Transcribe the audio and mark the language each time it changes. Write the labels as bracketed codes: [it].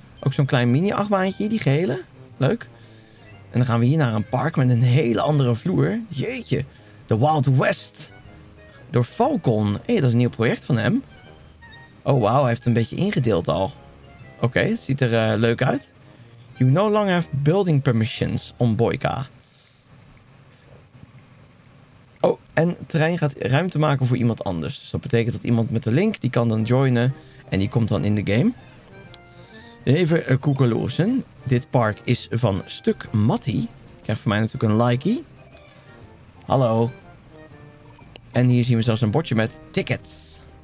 [nl] Ook zo'n klein mini-achtbaantje, die gele. Leuk. En dan gaan we hier naar een park met een hele andere vloer. Jeetje. The Wild West. Door Falcon. Hé, dat is een nieuw project van hem. Oh, wauw. Hij heeft een beetje ingedeeld al. Oké, okay, ziet er leuk uit. [en] You no longer have building permissions on Boyka. [nl] Oh, en Terrein gaat ruimte maken voor iemand anders. Dus dat betekent dat iemand met de link, die kan dan joinen. En die komt dan in de game. Even koekeloersen. Dit park is van Stuk Matty. Ik krijg voor mij natuurlijk een likey. Hallo. En hier zien we zelfs een bordje met tickets.